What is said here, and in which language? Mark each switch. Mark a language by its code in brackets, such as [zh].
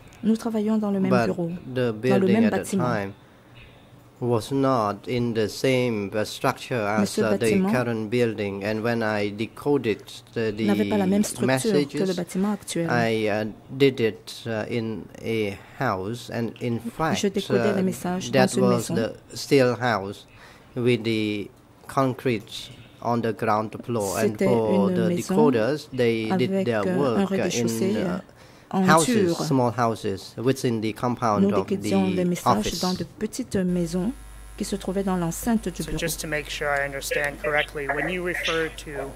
[fr] Nous travaillons dans le même bureau, dans le même bâtiment. [en] Was not in the same structure as the current building, and when I decoded the messages, I did it in a house, and in fact, that was the steel house with the concrete on the ground floor. [fr] C'était [en] and for the decoders, they did their work in small houses within the compound [fr] nous Nous décodions les messages dans de petites maisons qui se trouvaient dans l'enceinte du bureau. [en] So just to make sure I understand correctly, when you refer to,